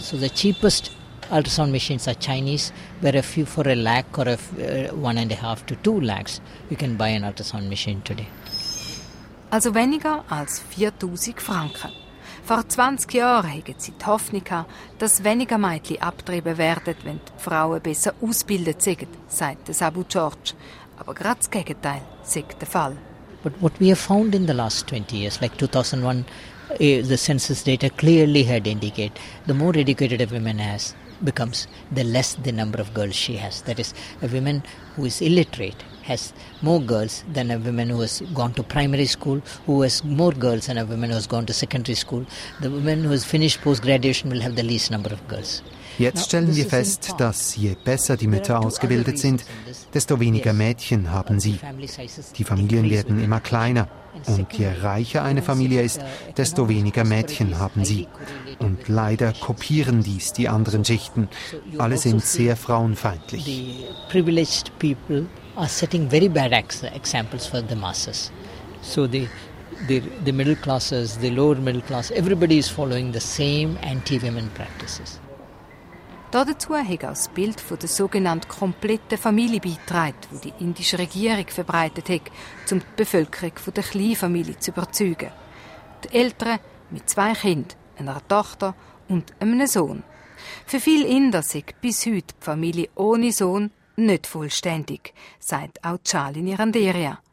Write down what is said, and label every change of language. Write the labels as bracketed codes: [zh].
[en] So the cheapest ultrasound machines are Chinese, where if you for a lakh or 1.5 to 2 lakhs, you can buy an ultrasound machine today. [de] Also weniger als 4'000 Franken. Vor 20 Jahren hatten sie die Hoffnung, dass weniger Mädchen abtrieben werden, wenn die Frauen besser ausgebildet sind, sagt der Sabu George. Aber gerade das Gegenteil sagt der Fall. [en] But what we have found in the last 20 years, like 2001, the census data clearly had indicated, the more educated a woman has becomes, the less the number of girls she has. That is, a woman who is illiterate has more girls than a woman who has gone to primary school, who has more girls than a woman who has gone to secondary school. The woman who has finished post-graduation will have the least number of girls. [de] Jetzt stellen wir fest, dass je besser die Mütter ausgebildet sind, desto weniger Mädchen haben sie. Die Familien werden immer kleiner. Und je reicher eine Familie ist, desto weniger Mädchen haben sie. Und leider kopieren dies die anderen Schichten. Alle sind sehr frauenfeindlich. [en] The privileged people are setting very bad examples for the masses. So the middle classes, the lower middle class, everybody is following the same anti-women practices. [de] Dazu hat auch das Bild von der sogenannten kompletten Familie beigetragen, die die indische Regierung verbreitet hat, um die Bevölkerung von der Kleinfamilie zu überzeugen. Die Eltern mit 2 Kindern, einer Tochter und einem Sohn. Für viele Inder sind bis heute die Familie ohne Sohn nicht vollständig, sagt auch Charlene Randeria.